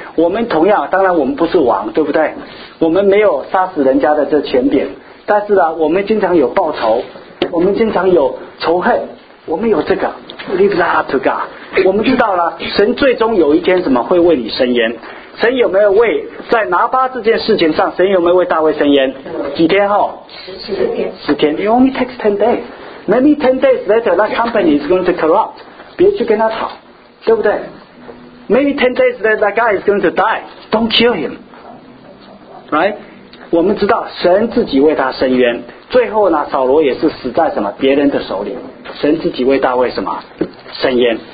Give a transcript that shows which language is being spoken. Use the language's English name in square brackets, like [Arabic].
[Chinese] 我们同样，当然我们不是王，对不对？我们没有杀死人家的这权柄，但是呢我们经常有报仇，我们经常有仇恨，我们有这个。 [English] Leave it up to God。 [Chinese] 我们知道了神最终有一天怎么会为你伸冤。神有没有为在拿巴这件事情上，神有没有为大卫伸冤？几天后？ 10天。 [English] It only takes 10 days. Maybe 10 days later, that company is going to corrupt. [Chinese] 别去跟他吵，对不对？ [English] Maybe 10 days later, that guy is going to die. Don't kill him. Right? [Chinese] 我们知道神自己为他伸冤，最后呢，扫罗也是死在什么别人的手里，神自己为大卫什么伸冤。